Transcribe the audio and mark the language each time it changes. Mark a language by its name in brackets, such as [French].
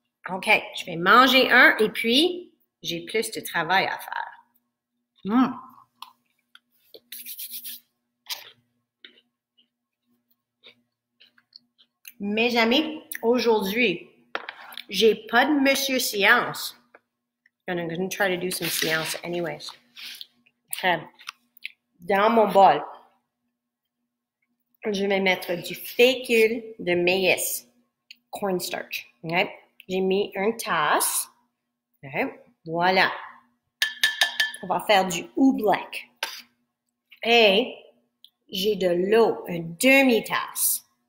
[French] OK, je vais manger un et puis j'ai plus de travail à faire. Mmh. Mes amis, aujourd'hui, j'ai pas de Monsieur Science. [English] And I'm going to try to do some science anyways. Okay. [French] Dans mon bol, je vais mettre du fécule de maïs. cornstarch. Okay. J'ai mis une tasse. Okay. Voilà. On va faire du houblec. Et j'ai de l'eau, une demi-tasse.